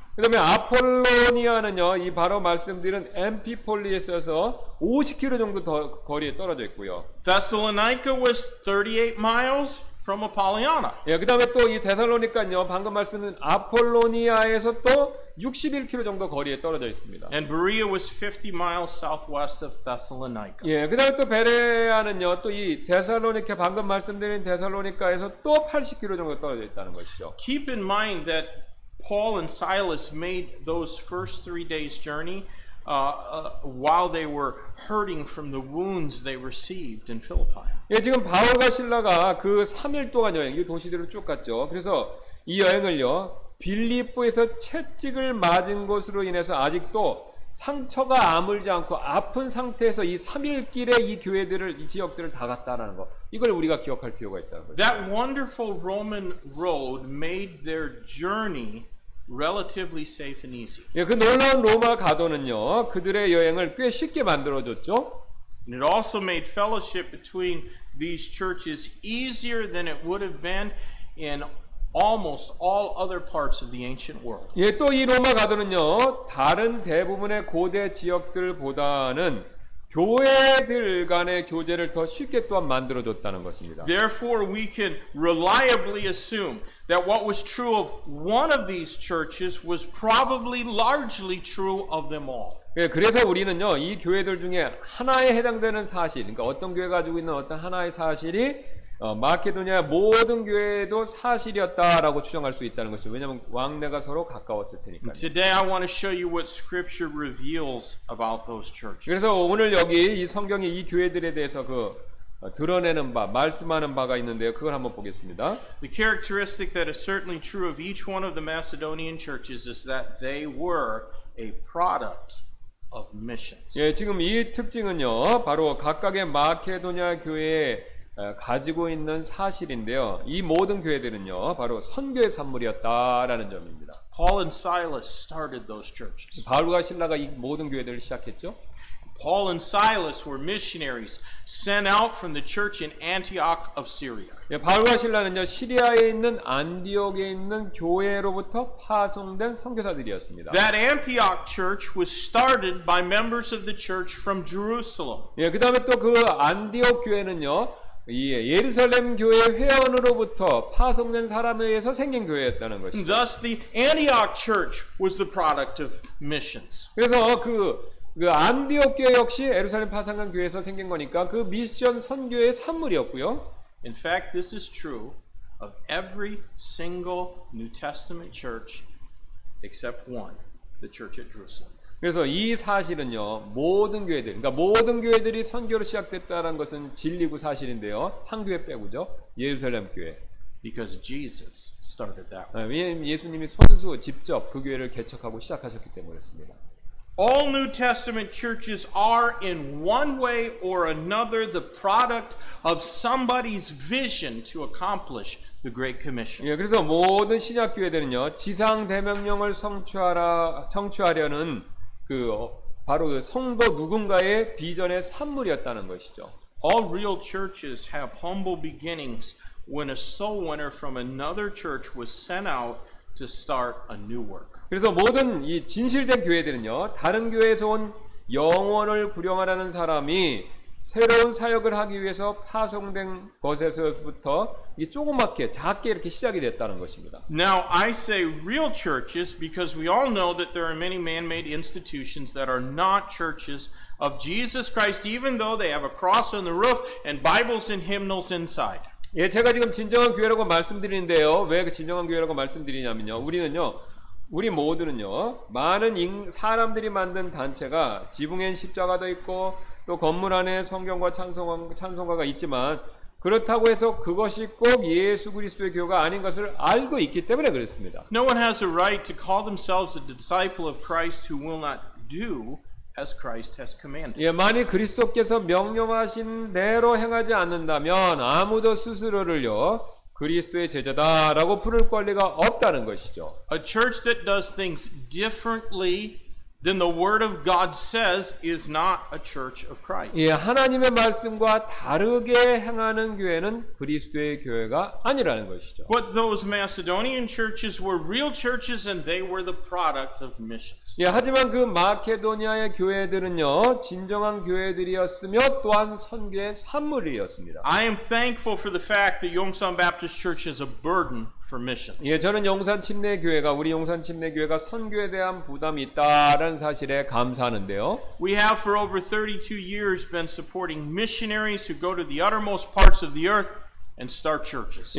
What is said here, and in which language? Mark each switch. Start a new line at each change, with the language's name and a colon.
Korean: 그다음에 아폴로니아는요, 이 바로 말씀드린 엠피폴리에서 50km 정도 더 거리에 떨어져 있고요.
English: Thessalonica was 38 miles from Apollonia.
Korean: 예, 그다음에 또 이 데살로니카는요, 방금 말씀드린 아폴로니아에서 또 61km 정도 거리에 떨어져 있습니다.
English: And Berea was 50 miles southwest of Thessalonica.
Korean: 예, 그다음에 또 베레아는요, 또 이 데살로니카 방금 말씀드린 데살로니카에서 또 80km 정도 떨어져 있다는 것이죠.
English: Keep in mind that Paul and Silas made those first 3 days journey while they were hurting from the wounds they received in Philippi.
Korean: 예, 지금 바울과 실라가 그 3일 동안 여행 이 도시들을 쭉 갔죠. 그래서 이 여행을요 빌립보에서 채찍을 맞은 것으로 인해서 아직도 상처가 아물지 않고 아픈 상태에서 이 3일 길에 이 교회들을 이 지역들을 다 갔다라는 거 이걸 우리가 기억할 필요가 있다는 거죠.
English: That wonderful Roman road made their journey relatively safe and easy.
Korean: 예, 그 놀라운 로마 가도는요. 그들의 여행을 꽤 쉽게 만들어 줬죠.
English: And it also made fellowship between these churches easier than it would have been in almost all other parts of the ancient world.
Korean: 예, 또 이 로마 가도는요. 다른 대부분의 고대 지역들보다는 교회들 간의 교제를 더 쉽게 또한 만들어 줬다는 것입니다.
English: Therefore we can reliably assume that what was true of one of these churches was probably largely true of them all.
Korean: 예, 그래서 우리는요. 이 교회들 중에 하나에 해당되는 사실, 그러니까 어떤 교회가 가지고 있는 어떤 하나의 사실이 마케도니아 모든 교회도 사실이었다라고 추정할 수 있다는 것이죠. 왜냐하면 왕래가 서로 가까웠을 테니까요.
English: Today I want to show you what Scripture reveals about those churches.
Korean: 그래서 오늘 여기 이 성경이 이 교회들에 대해서 그 드러내는 바, 말씀하는 바가 있는데요. 그걸 한번 보겠습니다.
English: The characteristic that is certainly true of each one of the Macedonian churches is that they were a product of missions.
Korean: 예, 지금 이 특징은요, 바로 각각의 마케도니아 교회의 가지고 있는 사실인데요. 이 모든 교회들은요, 바로 선교의 산물이었다라는 점입니다.
English: Paul and Silas started those churches.
Korean: 바울과 실라가 이 모든 교회들을 시작했죠.
English: Paul and Silas were missionaries sent out from the church in Antioch of Syria.
Korean: 예, 바울과 실라는요, 시리아에 있는 안디옥에 있는 교회로부터 파송된 선교사들이었습니다.
English: That Antioch church was started by members of the church from Jerusalem.
Korean: 예, 그다음에 또 그 안디옥 교회는요. 예, 예루살렘 교회 회원으로부터 파송된 사람에 의해서 생긴 교회였다는 것입니다.
English: Thus the Antioch church was the product of missions.
Korean: 그래서 그 안디옥 교회 역시 예루살렘 파송한 교회에서 생긴 거니까 그 미션 선교의 산물이었고요.
English: In fact, this is true of every single New Testament church except one, the church at Jerusalem.
Korean: 그래서 이 사실은요, 모든 교회들, 그러니까 모든 교회들이 선교로 시작됐다는 것은 진리고 사실인데요, 한 교회 빼고죠, 예루살렘 교회.
English: Because Jesus started that.
Korean: 예수님이 손수 직접 그 교회를 개척하고 시작하셨기 때문이었습니다.
English: All New Testament churches are in one way or another the product of somebody's vision to accomplish the Great Commission.
Korean: 예, 그래서 모든 신약 교회들은요, 지상 대명령을 성취하려는 그 바로 그 성도 누군가의 비전의 산물이었다는 것이죠.
English: All real churches have humble beginnings when a soul winner from another church was sent out to start a new work.
Korean: 그래서 모든 이 진실된 교회들은요, 다른 교회에서 온 영혼을 구령하라는 사람이 새로운 사역을 하기 위해서 파송된 것에서부터 이 조그맣게 작게 이렇게 시작이 됐다는 것입니다.
English: Now I say real churches because we all know that there are many man-made institutions that are not churches of Jesus Christ even though they have a cross on the roof and Bibles and hymnals inside.
Korean: 예, 제가 지금 진정한 교회라고 말씀드리는데요. 왜 그 진정한 교회라고 말씀드리냐면요. 우리는요. 우리 모두는요. 많은 사람들이 만든 단체가 지붕엔 십자가도 있고 또 건물 안에 성경과 찬송가가 있지만 그렇다고 해서 그것이 꼭 예수 그리스도의 교회가 아닌 것을 알고 있기 때문에 그렇습니다.
English: No one has a right to call themselves a disciple of Christ who will not do as Christ has commanded.
Korean: 예, 만일 그리스도께서 명령하신 대로 행하지 않는다면 아무도 스스로를요 그리스도의 제자다라고 부를 권리가 없다는 것이죠.
English: A church that does things differently than the word of God says is not a church of Christ.
Korean: 예, 하나님의 말씀과 다르게 행하는 교회는 그리스도의 교회가 아니라는 것이죠.
English: But those Macedonian churches were real churches and they were the product of missions.
Korean: 예, 하지만 그 마케도니아의 교회들은요, 진정한 교회들이었으며 또한 선교의 산물이었습니다.
English: I am thankful for the fact that Yongsan Baptist Church is a burden.
Korean: 예, 저는 용산 침례 교회가 우리 용산 침례 교회가 선교에 대한 부담이 있다는 사실에 감사하는데요.
English: We have for over 32 years been supporting missionaries who go to the uttermost parts of the earth and start churches.